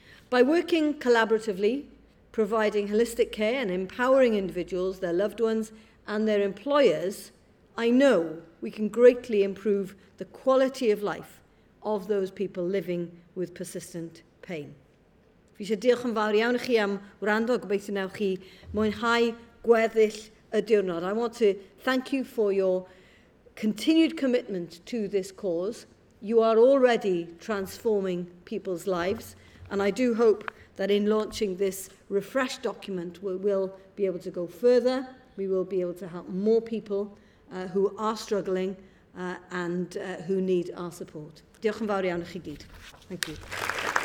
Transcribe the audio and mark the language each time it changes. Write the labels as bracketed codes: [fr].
[en] By working collaboratively, providing holistic care and empowering individuals, their loved ones, and their employers, I know we can greatly improve the quality of life of those people living with persistent pain. [cy] Fi eisiau diolch yn fawr iawn i chi am wrando, gobeithio wnewch chi mwynhau gweddill y diwrnod. [en] I want to thank you for your continued commitment to this cause. You are already transforming people's lives, and I do hope that in launching this refreshed document, we will be able to go further. We will be able to help more people who are struggling and who need our support. [cy] Diolch yn fawr iawn i chi gyd. [en] Thank you.